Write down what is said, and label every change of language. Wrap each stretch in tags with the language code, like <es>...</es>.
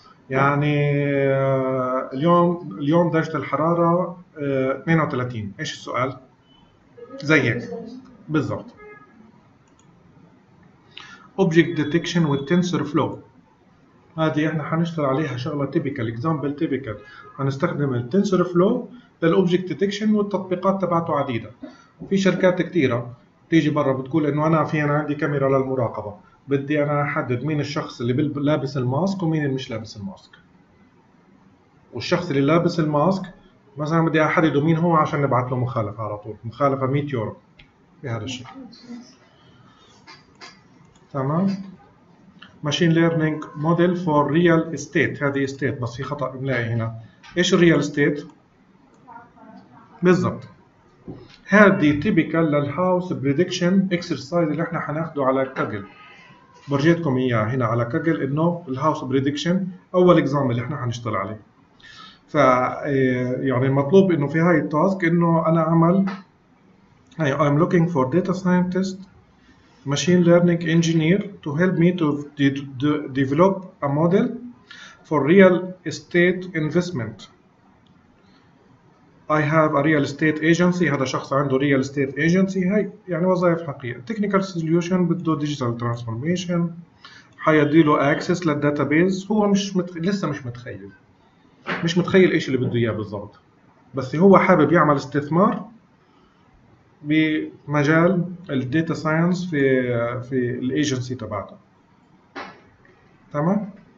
<ar>يعني اليوم درجة الحرارة 32، إيش السؤال؟ زي هيك. بالضبط.</ar> <en>Object detection with TensorFlow.</en> <ar>هذه احنا حنشتغل عليها شغله تيبيكال، اكزامبل تيبيكال، حنستخدم التنسور فلو للاوبجكت ديتكشن والتطبيقات تبعته عديده. في شركات كثيره تيجي برا بتقول انه انا في انا عندي كاميرا للمراقبه، بدي انا احدد مين الشخص اللي لابس الماسك ومين اللي مش لابس الماسك. والشخص اللي لابس الماسك مثلا بدي احدد مين هو عشان نبعث له مخالفه على طول، مخالفه 100 يورو بهذا الشكل. تمام.</ar> <en>Machine Learning Model for Real Estate.</en> <ar>هذه Estate بس في خطأ إملائي هنا. إيش Real Estate؟ بالضبط. هذه Typical للHouse Prediction Exercise اللي احنا حناخده على كاجل. برجيتكم إياه هنا على كاجل إنه الHouse Prediction أول إجزام اللي احنا حنشتغل عليه. ف يعني المطلوب إنه في هاي التاسك إنه أنا أعمل</ar> <en>I'm looking for Data Scientist Machine Learning Engineer to help me to develop a model for real estate investment. I have a real estate agency.</en> <ar>هذا شخص عنده real estate agency. هاي يعني وظائف حقيقية. Technical solution بده digital transformation. حيديله access للداتابيز. هو مش متخيل. مش متخيل ايش اللي بده اياه بالضبط. بس هو حابب يعمل استثمار بمجال الداتا ساينس في الايجنسي تبعته. تمام.</ar>